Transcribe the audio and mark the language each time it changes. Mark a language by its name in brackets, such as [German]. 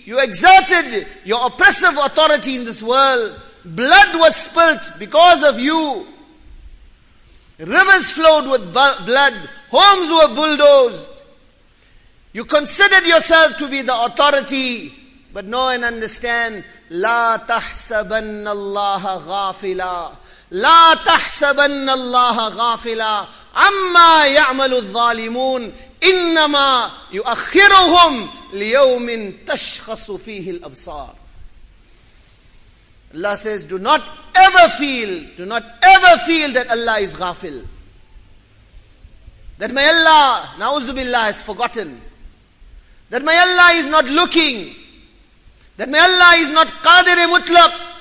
[English] You exerted your oppressive authority in this world. Blood was spilt because of you. Rivers flowed with blood. Homes were bulldozed. You considered yourself to be the authority. But know and understand, [Arabic] لا تحسبن الله غافلا لا تحسبن الله غافلا عما يعمل الظالمون إنما يؤخرهم ليوم تشخص فيه الأبصار. [English] Allah says, do not ever feel that Allah is ghafil. That my Allah, na'uzu billah, has forgotten. That my Allah is not looking. That my Allah is not qadir mutlaq.